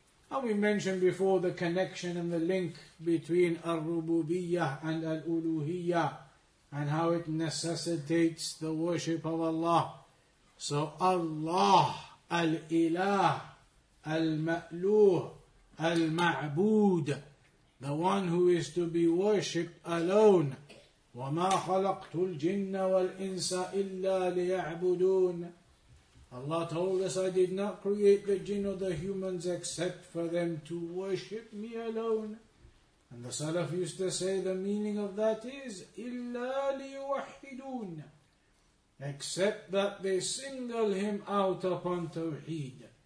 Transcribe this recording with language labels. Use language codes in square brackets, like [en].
[en] And we mentioned before the connection and the link between al-rububiyyah and al-uluhiyyah and how it necessitates the worship of Allah. So Allah, al-ilah, Al-Ma'luh, Al-Ma'bud, the one who is to be worshipped alone, [ar] وما خلقت الجن والإنس إلا ليعبدون. [en] Allah told us, I did not create the jinn or the humans except for them to worship me alone. And the Salaf used to say the meaning of that is, [ar] إِلَّا لِيُوَحِّدُونَ, [en] except that they single him out upon Tawheed.